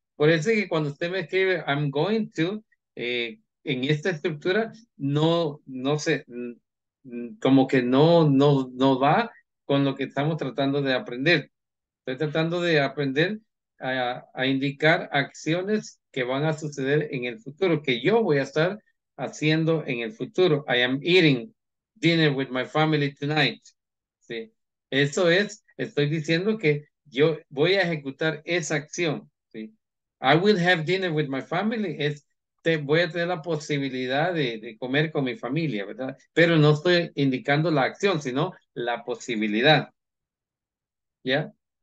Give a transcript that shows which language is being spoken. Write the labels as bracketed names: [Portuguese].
[Spanish] Por eso es que cuando usted me escribe [English] I'm going to, [Spanish] en esta estructura, no sé, como que no va con lo que estamos tratando de aprender. Estoy tratando de aprender a indicar acciones que van a suceder en el futuro, que yo voy a estar haciendo en el futuro. [English] I am eating dinner with my family tonight. [Spanish] ¿Sí? Eso es, estoy diciendo que yo voy a ejecutar esa acción. ¿Sí? [English] I will have dinner with my family. [Spanish] Es, te, voy a tener la posibilidad de comer con mi familia, ¿verdad? Pero no estoy indicando la acción, sino la posibilidad. ¿Ya?